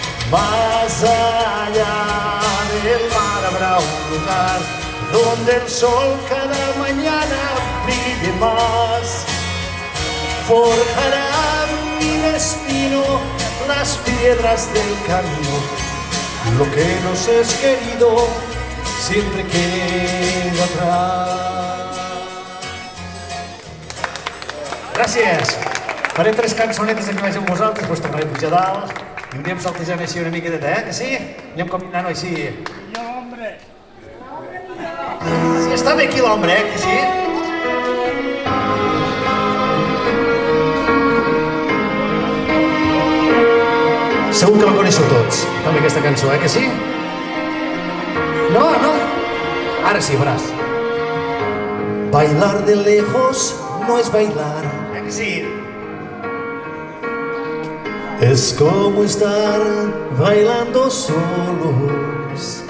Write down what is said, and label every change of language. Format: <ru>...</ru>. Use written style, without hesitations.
<es>Más allá del mar habrá un lugar donde el sol cada mañana brille más. Forjará mi destino las piedras del camino. Lo que nos es querido siempre queda atrás.</es> <ca>Gràcies. Faré tres cançonetes que vaig amb vosaltres, vos tornaré a pujar dalt. I anem saltejant així una miqueta, eh? Que sí? Anem combinant així. Hi ha l'ombre. Sí, està bé aquí l'ombre, eh? Que sí? Segur que la coneixeu tots, també aquesta cançó, eh? Que sí? No, no? Ara sí, veràs.</ca> <es>Bailar de lejos no es bailar.</es> <ca>Eh que sí?</ca> <es>Es como estar bailando solos.</es>